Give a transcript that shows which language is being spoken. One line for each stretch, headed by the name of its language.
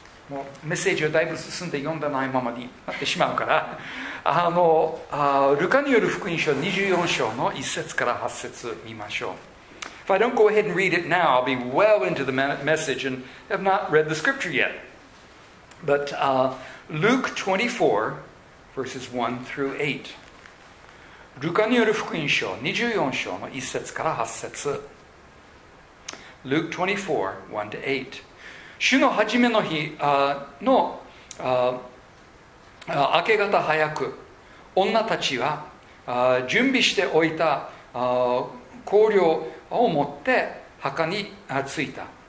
Japanese: もうメッセージをだいぶ進んで読んでないままになってしまうから、ルカによる福音書24章の1節から8節見ましょう。
English: If I don't go ahead and read it now, I'll be well into the message and have not read the scripture yet. But Luke 24, verses 1 through 8.
Japanese: ルカによる福音書24章の1節から8節。
English: Luke 24, 1 to 8.
Japanese: 主の初めの日の明け方早く、女たちは準備しておいた香料を持って墓に着いた。